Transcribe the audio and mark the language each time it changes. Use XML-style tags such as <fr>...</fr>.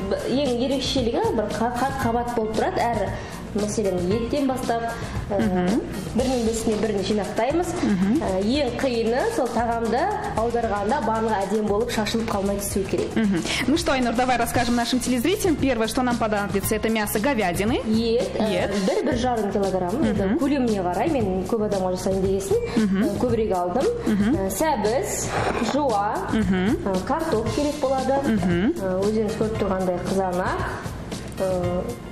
<kk>Ең ерекшелігі бір қабат болып тұрады, әрі мәселен еттен бастап бірінің үстіне бірін жинақтаймыз. Ең қиыны сол тағамды аударғанда барлығы әдемі болып шашылып қалмай түсу керек.</kk> <ru>Ну что, Айнур, давай расскажем нашим телезрителям. Первое, что нам понадобится, это мясо говядины.</ru> <kk>Ет. 1,5 килограмм. Көлеміне қарай, мен көп адамға жасайын дегесін, көбірек алдым. Сәбіз, жуа, картоп керек болады. Өзіңіз көріп тұрғандай қызанақ.</kk>